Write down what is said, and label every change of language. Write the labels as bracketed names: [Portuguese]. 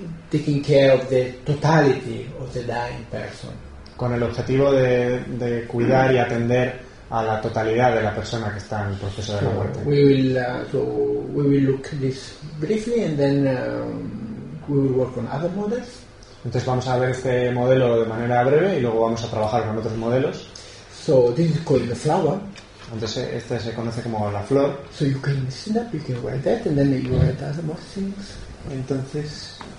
[English] taking care of the totality of the dying person. [Spanish] Con el objetivo de cuidar y atender a la totalidad de la persona que está en el proceso de la muerte. [English] We will look this briefly and then we will work on other models. [Spanish] Entonces vamos a ver este modelo de manera breve y luego vamos a trabajar con otros modelos. [English] So this is called the flower. [Spanish] Entonces este se conoce como la flor. [English] So you can listen up, you can write that, and then you write other more things. [Spanish] Entonces.